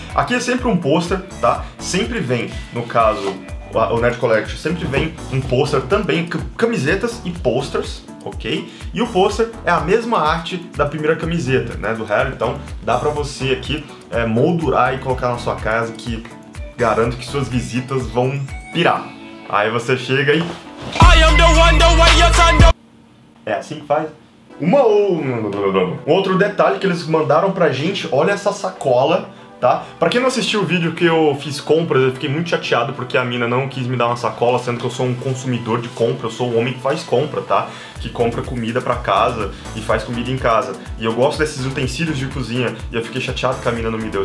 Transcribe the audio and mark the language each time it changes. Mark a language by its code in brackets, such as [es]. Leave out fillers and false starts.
[pt] Aqui é sempre um pôster, tá? Sempre vem, no caso, o Nerd Collection, sempre vem um pôster também, camisetas e posters, ok? E o pôster é a mesma arte da primeira camiseta, né, do Harry. Então, dá pra você aqui moldurar e colocar na sua casa, que garanto que suas visitas vão pirar. Aí você chega e... [en] I am the one, the way you're trying to... [pt] É assim que faz. Um outro detalhe que eles mandaram pra gente, olha essa sacola, tá? Pra quem não assistiu o vídeo que eu fiz compras, eu fiquei muito chateado porque a mina não quis me dar uma sacola, sendo que eu sou um consumidor de compra, eu sou um homem que faz compra, tá? Que compra comida pra casa e faz comida em casa. E eu gosto desses utensílios de cozinha e eu fiquei chateado que a mina não me deu.